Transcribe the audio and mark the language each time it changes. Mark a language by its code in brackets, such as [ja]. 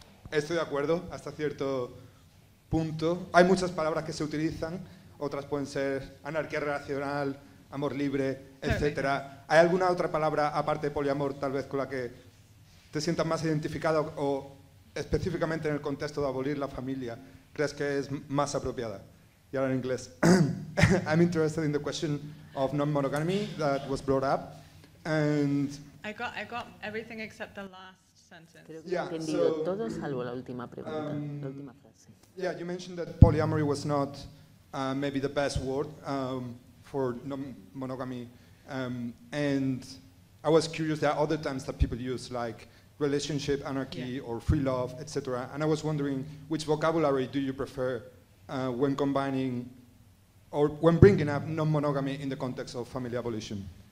[es] Estoy de acuerdo hasta cierto punto. Hay muchas palabras que se utilizan, otras pueden ser anarquía relacional, amor libre, etcétera. ¿Hay alguna otra palabra, aparte de poliamor, tal vez con la que te sientas más identificado o específicamente en el contexto de abolir la familia, crees que es más apropiada? Y ahora en inglés. [en] I'm interested in the question of non-monogamy that was brought up. And I got everything except the last sentence. [es] Creo que he entendido todo salvo la última pregunta, la última frase. [en] Yeah, you mentioned that polyamory was not maybe the best word. For non-monogamy, and I was curious, there are other terms that people use, like relationship anarchy or free love, etc. And I was wondering, which vocabulary do you prefer when combining or when bringing up non-monogamy in the context of family abolition?